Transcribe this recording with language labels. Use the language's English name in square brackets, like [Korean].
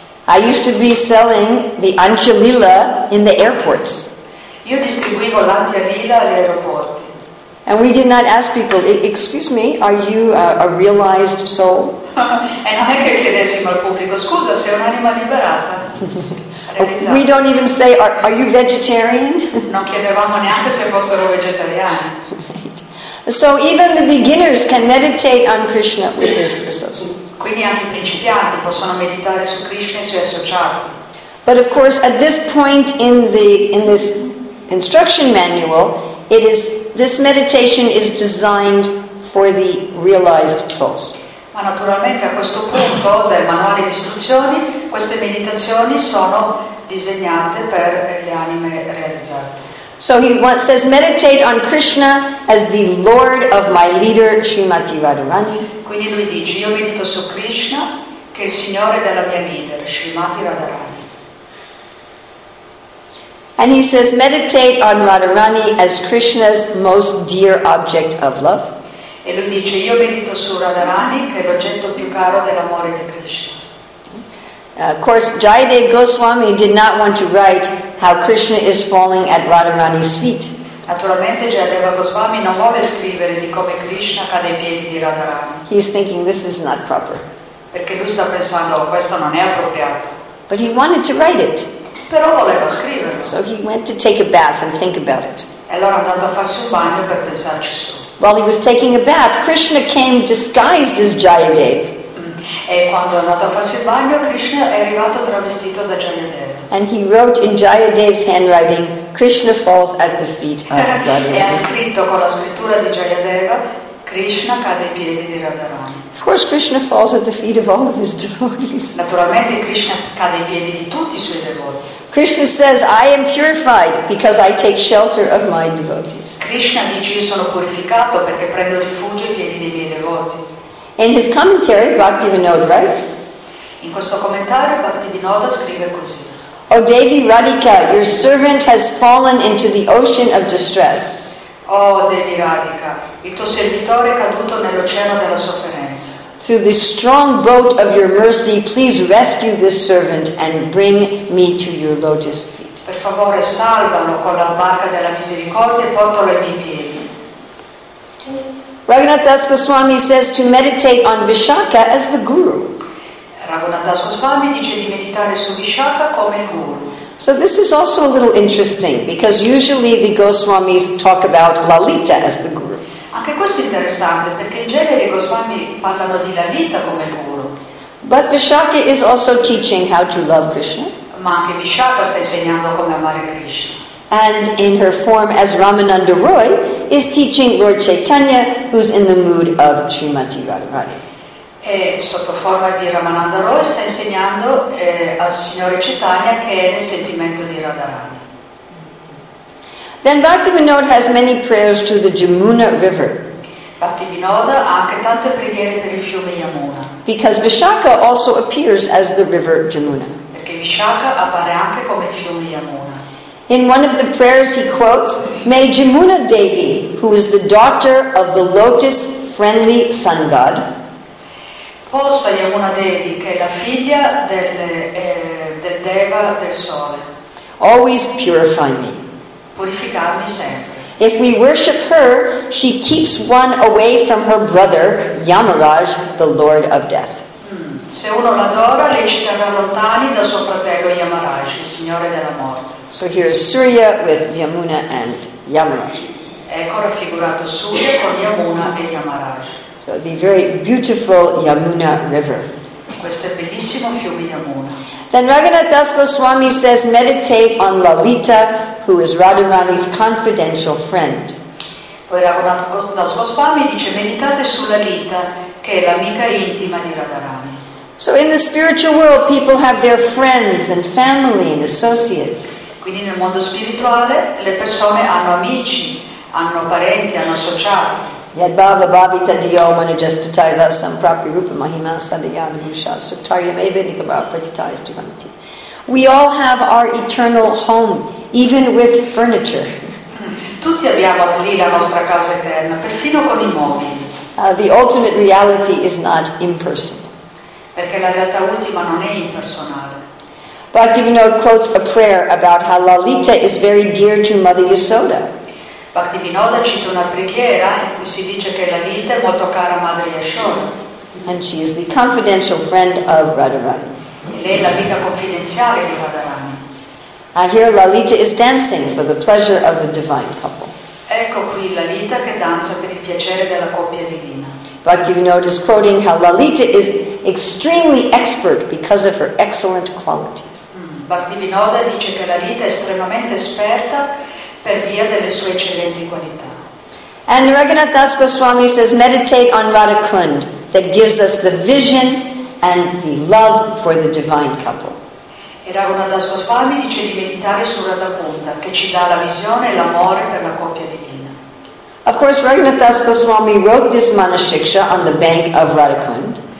[English] I used to be selling the Anchalila in the airports. [Italian] Io distribuivo l'Anchalila agli aeroporti. [English] And we did not ask people, excuse me, are you a realized soul? [Italian] E non è che chiedessimo al pubblico, scusa, sei un'anima liberata. [English] We don't even say, are you vegetarian? [Italian] Non chiedevamo neanche se fossero vegetariani. [English] So even the beginners can meditate on Krishna with his associates. [Italian] Quindi anche i principianti possono meditare su Krishna e sui associati. [English] But of course, at this point in this instruction manual, this meditation is designed for the realized souls. [Italian] Ma naturalmente a questo punto del manuale di istruzioni, queste meditazioni sono disegnate per le anime realizzate. [English] So he once says, meditate on Krishna as the Lord of my leader, Srimati Radharani. [Italian] Quindi lui dice, io medito su Krishna, che è il Signore della mia leader, Srimati Radharani. [English] And he says, meditate on Radharani as Krishna's most dear object of love. [Italian] E lui dice, io medito su Radharani, che è l'oggetto più caro dell'amore di Krishna. [English] Of course, Jayadeva Goswami did not want to write how Krishna is falling at Radharani's feet. [Italian] Naturalmente, Jayadeva Goswami non vuole scrivere di come Krishna cade ai piedi di Radharani. [English] He's thinking this is not proper. [Italian] Perché lui sta pensando, questo non è appropriato. [English] But he wanted to write it. [Italian] Però voleva scriverlo. [English] So he went to take a bath and think about it. [Italian] E allora è andato a farsi un bagno per pensarci su. [English] While he was taking a bath, Krishna came disguised as Jayadeva. [Italian] E quando è andato a farsi il bagno, Krishna è arrivato travestito da Jayadeva. [English] And he wrote in Jayadeva's handwriting, Krishna falls at the feet of [Italian] Radharani. E ha scritto con la scrittura di Jayadeva, Krishna cade ai piedi di Radharani. [English] Of course, Krishna falls at the feet of all of his devotees. [Italian] Naturalmente, Krishna cade ai piedi di tutti i suoi devoti. [English] Krishna says, I am purified because I take shelter of my devotees. [Italian] Krishna dice, io sono purificato perché prendo rifugio ai piedi dei miei devoti. [English] In his commentary, Bhaktivinoda writes, [Italian] in questo commentario, Bhaktivinoda scrive così: [English] O Devi Radhika, your servant has fallen into the ocean of distress. [Italian] Oh Devi Radhika, il tuo servitore è caduto nell'oceano della sofferenza. [English] Through the strong boat of your mercy, please rescue this servant and bring me to your lotus feet. [Italian] Per favore, salvalo con la barca della misericordia e portalo ai miei piedi. [English] Raghunath Das Goswami says to meditate on Vishakha as the guru. [Italian] Raghunath Das Goswami dice di meditare su Vishakha come il guru. [English] So this is also a little interesting because usually the Goswamis talk about Lalita as the guru. [Italian] Anche questo è interessante perché in genere i Goswami parlano di Lalita come il guru. [English] But Vishakha is also teaching how to love Krishna. [Italian] Ma anche Vishakha sta insegnando come amare Krishna. [English] And in her form as Ramananda Roy, is teaching Lord Chaitanya, who's in the mood of Srimati Radharani. [Italian] E sotto forma di Ramananda Roy sta insegnando al signore Chaitanya che è nel sentimento di Radharani. [English] Then Bhaktivinoda has many prayers to the Jamuna River. [Italian] Bhaktivinoda ha anche tante preghiere per il fiume Yamuna. [English] Because Vishakha also appears as the river Jamuna. [Italian] Perché Vishakha appare anche come il fiume Yamuna. [English] In one of the prayers he quotes, may Jamuna Devi, who is the daughter of the lotus-friendly sun god, [Italian] possa Jamuna Devi, che è la figlia del Deva del Sole, [English] always purify me. [Italian] Purificarmi sempre. [English] If we worship her, she keeps one away from her brother, Yamaraj, the lord of death. [Italian] Se uno l'adora, lei ci terrà lontani da suo fratello Yamaraj, il signore della morte. [English] So here is Surya with Yamuna and Yamaraj. [Italian] Ecco raffigurato Surya con Yamuna e Yamaraj. [English] So the very beautiful Yamuna River. [Italian] Questo è bellissimo fiume Yamuna. [English] Then Raghunath Das Goswami says, meditate on Lalita, who is Radharani's confidential friend. [Italian] Poi Raghunath Das Goswami dice, meditate su Lalita, che è l'amica intima di Radharani. [English] So in the spiritual world, people have their friends and family and associates. [Italian] Quindi nel mondo spirituale le persone hanno amici, hanno parenti, hanno associati. [Sanskrit] Yadbhava bhavita diyo manajastitaiva sampraprapi rupa mahima sadayana musha suktaryam evedikabha pratitais duvanti. [English] We all have our eternal home, even with furniture. [Italian] Tutti abbiamo lì la nostra casa eterna, perfino con i mobili. [English] The ultimate reality is not impersonal. [Italian] Perché la realtà ultima non è impersonale. [English] Bhaktivinoda quotes a prayer about how Lalita is very dear to Mother Yasoda. [Italian] Bhaktivinoda cita una preghiera in cui si dice che Lalita è molto cara a Madre Yasoda. [English] And she is the confidential friend of Radharani. [Italian] E lei è l'amica confidenziale di Radharani. [English] I hear Lalita is dancing for the pleasure of the divine couple. [Italian] Ecco qui Lalita che danza per il piacere della coppia divina. [English] Bhaktivinoda is quoting how Lalita is extremely expert because of her excellent qualities. [Italian] Bhaktivinoda dice che Lalita è estremamente esperta per via delle sue eccellenti qualità. [English] And Raghunath Das Goswami says, meditate on Radhakund that gives us the vision and the love for the divine couple. [Italian] E Raghunatha Swami dice di meditare su Radha Kunda, che ci dà la visione e l'amore per la coppia divina. [English] Of course, Raghunatha Swami wrote this Manashiksha on the bank of Radha Kunda.